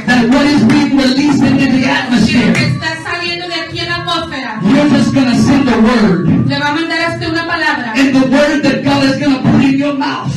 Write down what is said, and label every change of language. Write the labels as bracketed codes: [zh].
[en] That what is being released into the atmosphere. [es] Que está saliendo de aquí en la atmósfera. [en] You're just gonna send a word. [es] Le va a mandar a usted una palabra. [en] And the word that God is gonna put in your mouth.